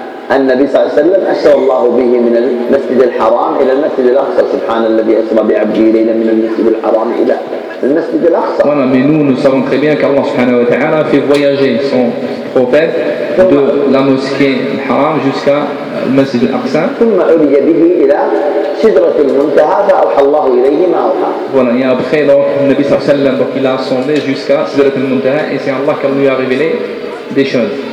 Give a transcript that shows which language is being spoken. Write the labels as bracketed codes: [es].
[ar] النبي صلى الله عليه وسلم أشر الله به من المسجد الحرام إلى المسجد الأقصى سبحان الذي أسرى بعبده ليلا من المسجد الحرام إلى المسجد الأقصى. [fr] Voilà, mais nous savons très bien qu'Allah subhanahu wa ta'ala fait voyager son prophète de la mosquée al-Haram jusqu'à المسجد الأقصى. [ar] ثم أولي به إلى سدرة المنتهى فأوحى الله إليه ما أوحى. [fr] Voilà, et après donc le Nabi [ar] صلى الله عليه وسلم [fr] donc il a ascendé jusqu'à سدرة المنتهى et c'est Allah qui lui a révélé des choses.